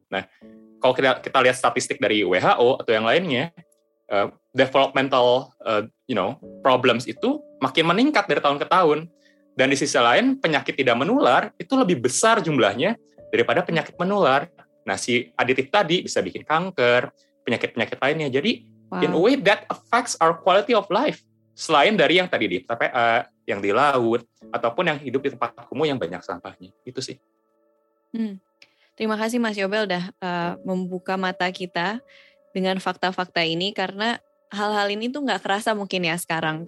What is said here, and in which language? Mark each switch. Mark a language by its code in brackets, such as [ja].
[id] Nah, kalau kita lihat statistik dari WHO atau yang lainnya, developmental problems itu makin meningkat dari tahun ke tahun. Dan di sisi lain, penyakit tidak menular, itu lebih besar jumlahnya daripada penyakit menular. Nah, si aditif tadi bisa bikin kanker, penyakit-penyakit lainnya. Jadi, wow. [en] In a way that affects our quality of life. [id] Selain dari yang tadi di TPA, yang di laut, ataupun yang hidup di tempat kumuh yang banyak sampahnya. Itu sih. Terima kasih Mas Yobel udah membuka mata kita dengan fakta-fakta ini, karena hal-hal ini tuh nggak kerasa mungkin ya sekarang.